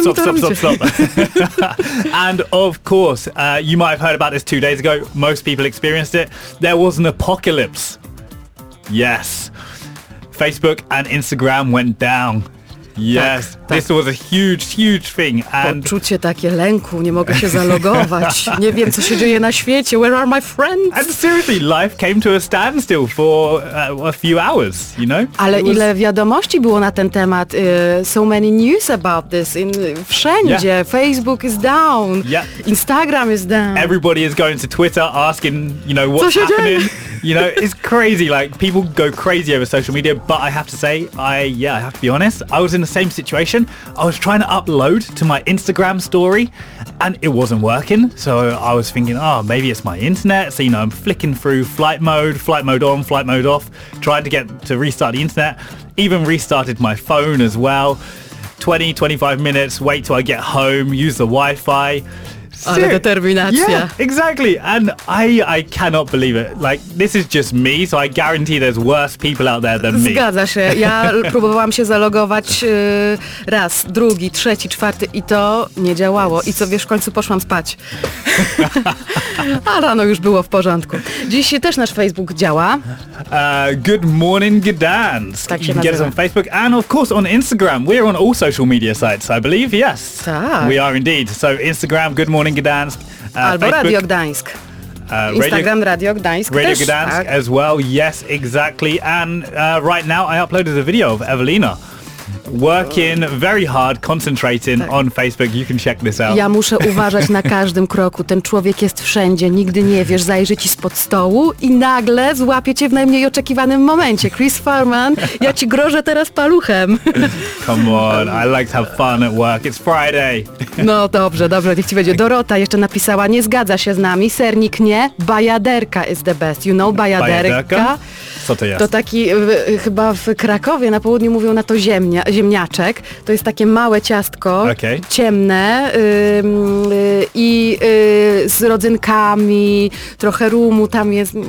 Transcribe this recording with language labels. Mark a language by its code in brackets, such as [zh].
[en] stop, stop, stop, stop, stop. And of course, you might have heard about this 2 days ago. Most people experienced it. There was an apocalypse. Yes. Facebook and Instagram went down. Yes, [pl] tak, [en] this was a huge, huge thing. And [pl] poczucie takie lęku, nie mogę się zalogować, nie wiem co się dzieje na świecie, [en] where are my friends? And seriously, life came to a standstill for a few hours, you know? [pl] Ale ile wiadomości było na ten temat, [en] so many news about this, [pl] wszędzie, [en] yeah. Facebook is down, yeah. Instagram is down. Everybody is going to Twitter asking, you know, what's happening. You know, it's crazy, like, people go crazy over social media, but I have to say, I have to be honest, I was in the same situation. I was trying to upload to my Instagram story, and it wasn't working, so I was thinking, oh, maybe it's my internet, so, you know, I'm flicking through flight mode on, flight mode off, trying to get to restart the internet, even restarted my phone as well, 20-25 minutes, wait till I get home, use the Wi-Fi. [pl] Ale determinacja. [en] Yeah, exactly. And I cannot believe it. Like, this is just me, so I guarantee there's worse people out there than me. [pl] Zgadza się. Ja próbowałam się zalogować raz, drugi, trzeci, czwarty i to nie działało. I co wiesz, w końcu poszłam spać. A rano już było w porządku. Dziś też nasz Facebook działa. [en] Good morning, Gdansk. [pl] Tak [en] you can get us on Facebook and of course on Instagram. We're on all social media sites, I believe, yes. [pl] Tak. [en] We are indeed. So Instagram, good morning, Gdansk. [pl] Albo [en] Facebook. Radio Gdańsk. Instagram, Radio Gdańsk. Radio [pl] też, [en] Gdansk [pl] tak. [en] As well, yes, exactly. And right now I uploaded a video of Evelina. Working very hard, concentrating tak. On Facebook, you can check this out. [pl] Ja muszę uważać na każdym kroku, ten człowiek jest wszędzie, nigdy nie wiesz, zajrzy ci spod stołu i nagle złapie cię w najmniej oczekiwanym momencie. Chris Farman, ja ci grożę teraz paluchem. [en] Come on, I like to have fun at work, it's Friday. [pl] No dobrze, dobrze, niech ci będzie. Dorota jeszcze napisała, nie zgadza się z nami, sernik nie, bajaderka [en] is the best, you know, [pl] bajaderka. Co to jest? To taki, chyba w Krakowie na południu mówią na to ziemnia. Ziemniaczek, to jest takie małe ciastko, [en] okay. [pl] Ciemne i z rodzynkami, trochę rumu tam jest.